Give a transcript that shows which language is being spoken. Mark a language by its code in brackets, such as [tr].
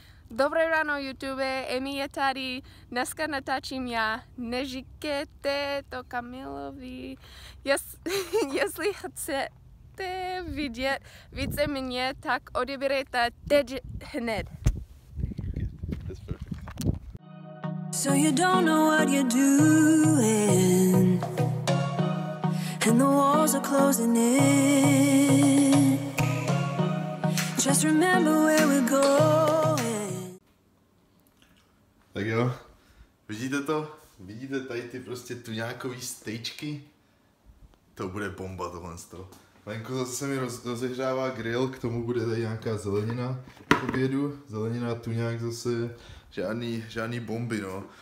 [cs] Dobré ráno, YouTube, Emi je tady, dneska natáčím já, neříkejte to Kamilovi, jestli chcete vidět více mě, tak odebírejte teď hned. [en] So you don't know what you're doing, and the walls are closing in, just remember where we're going. [cs] Tak jo, vidíte to? Vidíte tady ty prostě tuňákový stejčky? To bude bomba tohle z toho. Venku zase se mi rozehrává grill, k tomu bude tady nějaká zelenina k obědu. Zelenina, tuňák zase, žádný bomby, no.